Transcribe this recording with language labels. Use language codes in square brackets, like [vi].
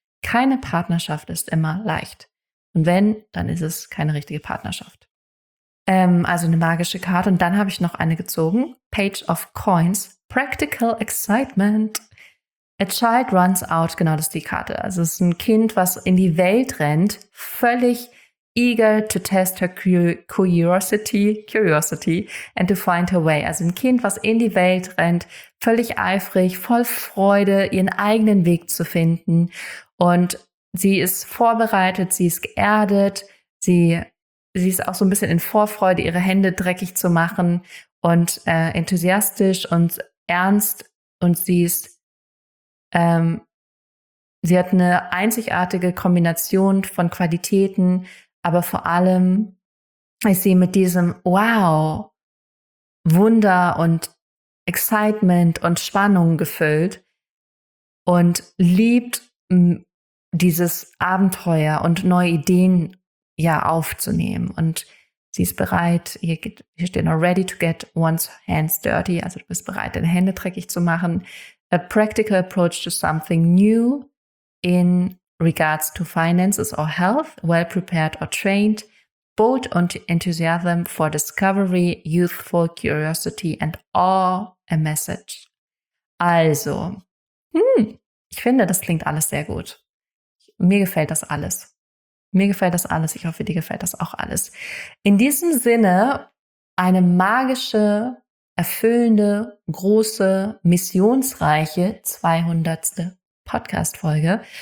[de] Keine Partnerschaft ist immer leicht. Und wenn, dann ist es keine richtige Partnerschaft. Also eine magische Karte. Und dann habe ich noch eine gezogen. [en] Page of Coins. Practical Excitement. A Child Runs Out. [de] Genau, das ist die Karte. Also es ist ein Kind, was in die Welt rennt. [en] Völlig eager to test her curiosity and to find her way. [de] Also ein Kind, was in die Welt rennt. Völlig eifrig, voll Freude, ihren eigenen Weg zu finden. Und sie ist vorbereitet, sie ist geerdet, sie ist auch so ein bisschen in Vorfreude, ihre Hände dreckig zu machen und enthusiastisch und ernst. Und sie ist, sie hat eine einzigartige Kombination von Qualitäten, aber vor allem ist sie mit diesem Wow, Wunder und Excitement und Spannung gefüllt und liebt dieses Abenteuer und neue Ideen ja aufzunehmen. Und sie ist bereit, hier steht noch [en] ready to get one's hands dirty, [de] also du bist bereit, deine Hände dreckig zu machen. [en] A practical approach to something new in regards to finances or health, well prepared or trained, bold and enthusiasm for discovery, youthful curiosity and awe, a message. [de] Also, ich finde, das klingt alles sehr gut. Mir gefällt das alles. Mir gefällt das alles. Ich hoffe, dir gefällt das auch alles. In diesem Sinne, eine magische, erfüllende, große, missionsreiche 200. Podcast-Folge.